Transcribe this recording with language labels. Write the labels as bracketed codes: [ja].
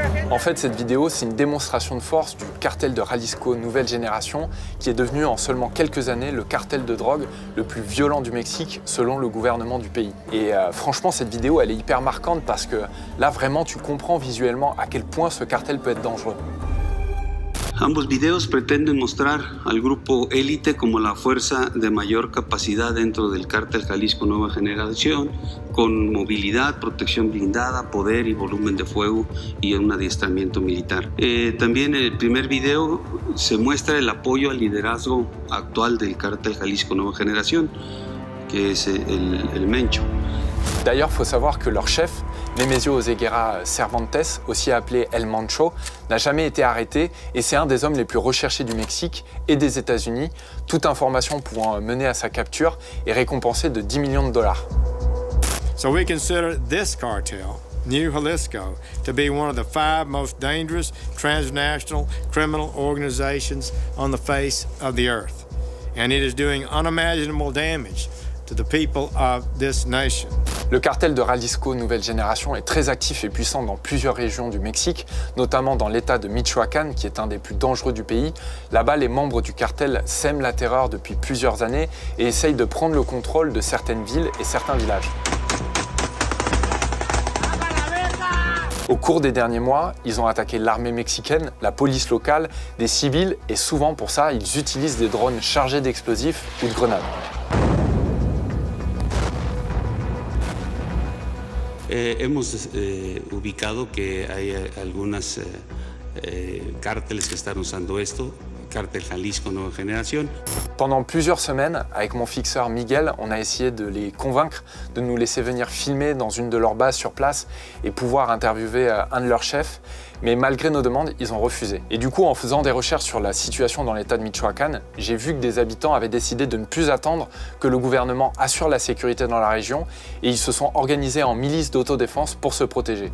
[fr] En fait, cette vidéo, c'est une démonstration de force du cartel de Jalisco Nouvelle Génération qui est devenu en seulement quelques années le cartel de drogue le plus violent du Mexique selon le gouvernement du pays. Et franchement, cette vidéo, elle est hyper marquante parce que là, vraiment, tu comprends visuellement à quel point ce cartel peut être dangereux. [es] Ambos videos pretenden mostrar al grupo élite como la fuerza de mayor capacidad dentro del cártel Jalisco Nueva Generación, con movilidad, protección blindada, poder y volumen de fuego y un adiestramiento militar. También en el primer video se muestra el apoyo al liderazgo actual del cártel Jalisco Nueva Generación, que es el Mencho. [fr] D'ailleurs, faut savoir que leur chef, Nemesio José Guerra Cervantes, aussi appelé El Mancho, n'a jamais été arrêté et c'est un des hommes les plus recherchés du Mexique et des États-Unis, toute information pouvant mener à sa capture et récompensé de 10 millions de dollars. [en] So we consider this cartel, New Jalisco, to be one of the five most dangerous transnational criminal organizations on the face of the earth. And it is doing unimaginable damage to the people of this nation. [fr] Le cartel de Jalisco Nouvelle Génération est très actif et puissant dans plusieurs régions du Mexique, notamment dans l'état de Michoacán, qui est un des plus dangereux du pays. Là-bas, les membres du cartel sèment la terreur depuis plusieurs années et essayent de prendre le contrôle de certaines villes et certains villages. Au cours des derniers mois, ils ont attaqué l'armée mexicaine, la police locale, des civils, et souvent pour ça, ils utilisent des drones chargés d'explosifs ou de grenades. [es] Hemos ubicado que hay algunas cárteles que están usando esto, cartel Jalisco Nueva Generación. [fr] Pendant plusieurs semaines, avec mon fixeur Miguel, on a essayé de les convaincre de nous laisser venir filmer dans une de leurs bases sur place et pouvoir interviewer un de leurs chefs. Mais malgré nos demandes, ils ont refusé. Et du coup, en faisant des recherches sur la situation dans l'état de Michoacán, j'ai vu que des habitants avaient décidé de ne plus attendre que le gouvernement assure la sécurité dans la région et ils se sont organisés en milices d'autodéfense pour se protéger.